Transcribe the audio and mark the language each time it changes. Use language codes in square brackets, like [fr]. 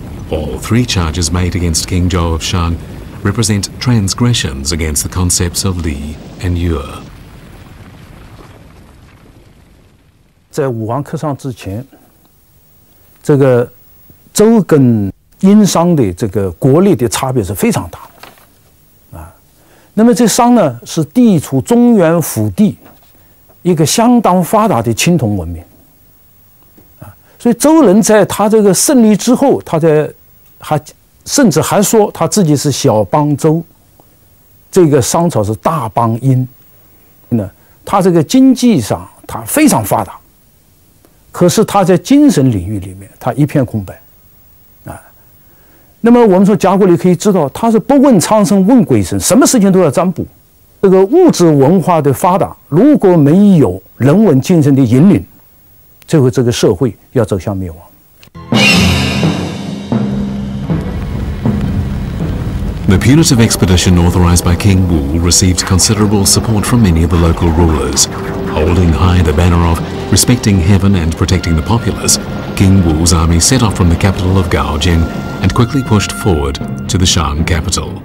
[en] All three charges made against King Zhou of Shang represent transgressions against the concepts of Li and Yue. In the Five Kings, the Zhou and Yin Shang, the difference between the two nations is very great. [zh] 那么这商呢，是地处中原腹地一个相当发达的青铜文明，所以周人在他这个胜利之后，他在还甚至还说他自己是小邦周，这个商朝是大邦殷，他这个经济上他非常发达，可是他在精神领域里面他一片空白，那么我们说甲骨里可以知道，他是不问苍生问鬼神，什么事情都要占卜。这个物质文化的发达，如果没有人文精神的引领，最后这个社会要走向灭亡。 [en] The punitive expedition authorized by King Wu received considerable support from many of the local rulers. Holding high the banner of respecting heaven and protecting the populace, King Wu's army set off from the capital of Gaojin and quickly pushed forward to the Shang capital.